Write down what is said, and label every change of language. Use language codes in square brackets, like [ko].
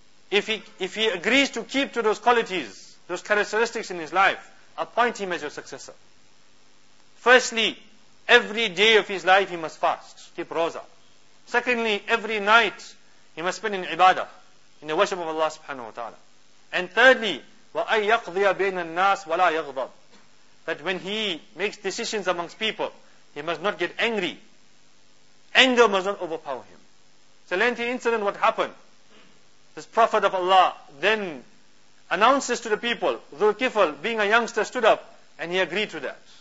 [en] If he agrees to keep to those qualities, those characteristics in his life, appoint him as your successor. Firstly, every day of his life he must fast, keep roza. Secondly, every night he must spend in ibadah, in the worship of Allah subhanahu wa ta'ala. And thirdly, [ar] وَأَيْ يَقْضِيَ بَيْنَ النَّاسِ وَلَا يَغْضَبْ. [en] That when he makes decisions amongst people, he must not get angry. Anger must not overpower him. It's a lengthy incident what happened. This Prophet of Allah then announces to the people, Dhul-Kifl, being a youngster, stood up and he agreed to that.